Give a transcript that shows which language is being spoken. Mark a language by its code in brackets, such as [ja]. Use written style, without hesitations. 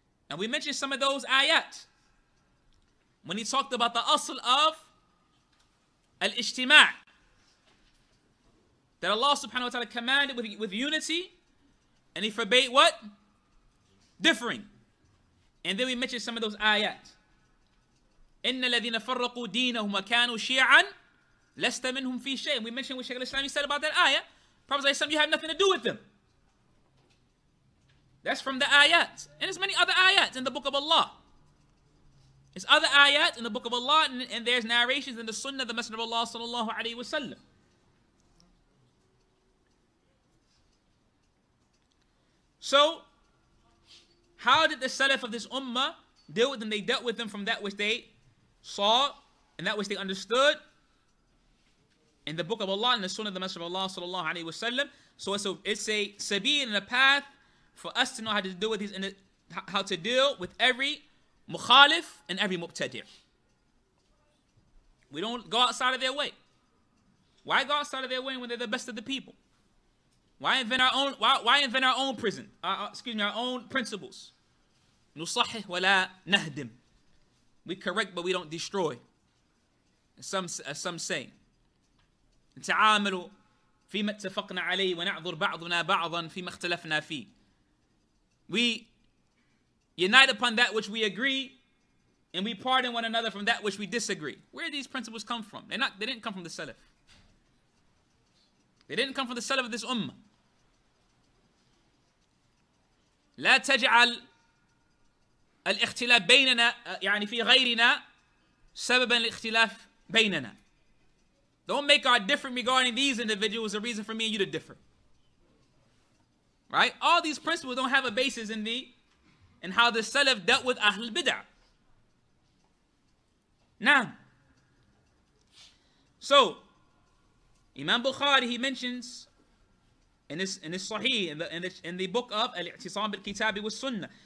[en] And we mentioned some of those ayat when he talked about the asl of al-ijtima', that Allah subhanahu wa ta'ala commanded with unity, and he forbade what? Differing. And then we mentioned some of those ayat. [ar] إِنَّ الَّذِينَ فَرَّقُوا دِينَهُمْ وَكَانُوا شِيعًا لَسْتَ مِنْهُمْ فِي شَيْءٍ [en] We mentioned what Shaykh al-Islam said about that ayah. Prophet said, some you have nothing to do with them. That's from the ayat. And there's many other ayat in the book of Allah. There's other ayat in the book of Allah, and there's narrations in the sunnah of the Messenger of Allah sallallahu alayhi wa sallam. So, how did the Salaf of this Ummah deal with them? They dealt with them from that which they saw and that which they understood in the book of Allah and the Sunnah of the Messenger of Allah sallallahu alaihi wasallam. So it's a sabil and a path for us to know how to deal with these, how to deal with every mukhalif and every mubtadi'. We don't go outside of their way. Why go outside of their way when they're the best of the people? Why invent our own prison? Our own principles. [ar] Nusahih wa la nahdim. [en] We correct, but we don't destroy. Some say. [ar] نتعاملوا فيما اتفقنا عليه ونعذر بعضنا بعضا فيما اختلفنا فيه. [en] We unite upon that which we agree, and we pardon one another from that which we disagree. Where did these principles come from? They didn't come from the Salaf. They didn't come from the Salaf of this ummah. [ar] لا تجعل الاختلاف بيننا يعني في غيرنا سببا الاختلاف بيننا. [en] Don't make our difference regarding these individuals a reason for me and you to differ. Right? All these principles don't have a basis in the in how the Salaf dealt with Ahl Bid'ah. Now, so Imam Bukhari, he mentions in his Sahih, in the book of Al-I'tisam Bil-Kitabi Wa Sunnah.